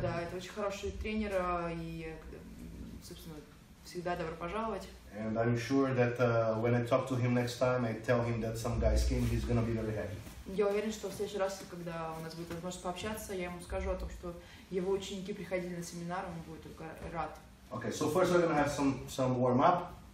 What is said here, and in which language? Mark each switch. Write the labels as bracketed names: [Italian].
[Russian] да, это очень хороший тренер и, собственно, всегда добро пожаловать. [English] And I'm sure that when I talk to him next time, I tell him that some guys came, he's gonna be very happy. [Russian] Я уверен, что в следующий раз, когда у нас будет возможность пообщаться, я ему скажу о том, что его ученики приходили на семинар, он будет только рад. [English] Okay, so first we're gonna have some warm-up.